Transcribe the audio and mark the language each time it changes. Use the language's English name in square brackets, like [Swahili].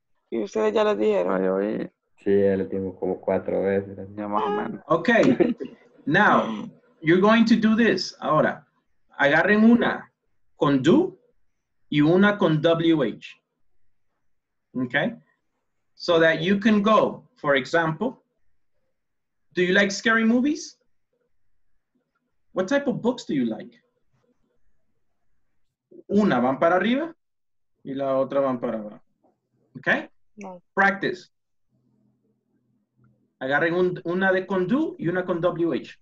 [Spanish] Y ustedes ya lo dijeron. Ay, oye. Sí, ya lo dimos como 4 veces. Ya más o menos. [English] Okay. Now, you're going to do this. [Spanish] Ahora, agarren una con do y una con WH. [English] Okay? So that you can go, for example, do you like scary movies? What type of books do you like? [Spanish] Una van para arriba y la otra van para abajo. [English] Okay? No. Practice. [Spanish] Agarren una de con do y una con WH.